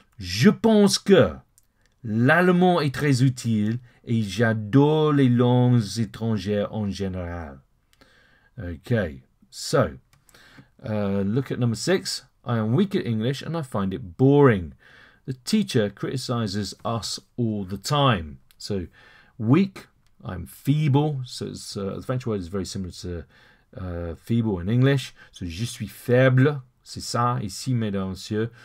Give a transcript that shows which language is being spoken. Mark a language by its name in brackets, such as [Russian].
[French] Je pense que l'allemand est très utile et j'adore les langues étrangères en général. [English] Okay, so look at number six. I am weak at English and I find it boring. The teacher criticizes us all the time. So weak. I'm feeble, so it's, the French word is very similar to feeble in English. So, [French] je suis faible, c'est ça, ici, mesdames, messieurs.